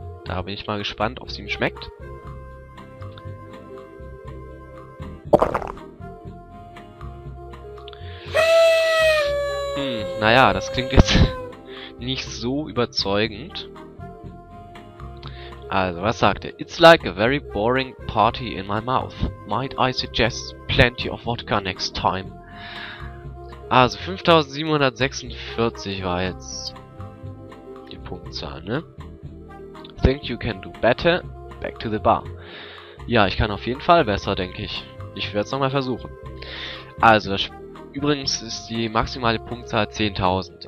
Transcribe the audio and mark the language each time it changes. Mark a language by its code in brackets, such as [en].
[de] Da bin ich mal gespannt, ob es ihm schmeckt. Naja, das klingt jetzt nicht so überzeugend. Also, was sagt er? [en] It's like a very boring party in my mouth. Might I suggest plenty of vodka next time? [de] Also, 5746 war jetzt die Punktzahl, ne? [en] Think you can do better? Back to the bar. [de] Ja, ich kann auf jeden Fall besser, denke ich. Ich werde es nochmal versuchen. Also, übrigens ist die maximale Punktzahl 10.000.